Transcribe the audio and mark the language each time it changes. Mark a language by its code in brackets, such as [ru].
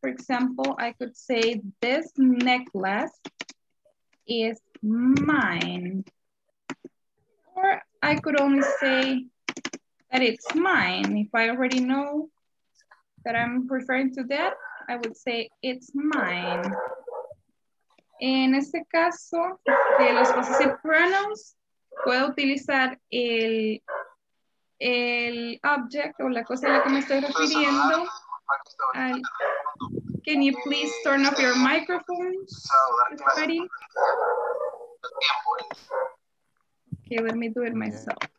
[en] For example, I could say this necklace is mine. Or I could only say that it's mine. If I already know that I'm referring to that, I would say it's mine. [es] En este caso, de los possessive pronouns, puedo utilizar el object o la cosa a la que me estoy refiriendo. [en] Can you please turn off your microphone, everybody? Okay, let me do it myself.